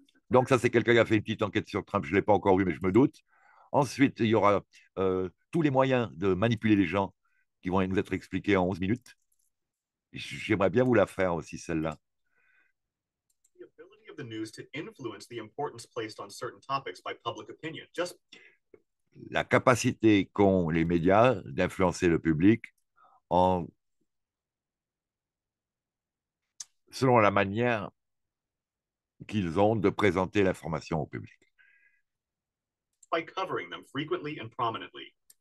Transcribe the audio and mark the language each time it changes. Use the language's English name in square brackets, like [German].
[French] Donc ça, c'est quelqu'un qui a fait une petite enquête sur Trump, je ne l'ai pas encore vu, mais je me doute. Ensuite, il y aura tous les moyens de manipuler les gens qui vont nous être expliqués en 11 minutes. J'aimerais bien vous la faire aussi, celle-là. [English] Of the news to influence the importance placed on certain topics by public opinion. Just [French] La capacité qu'ont les médias d'influencer le public en selon la manière qu'ils ont de présenter l'information au public. [English] by covering them frequently and prominently.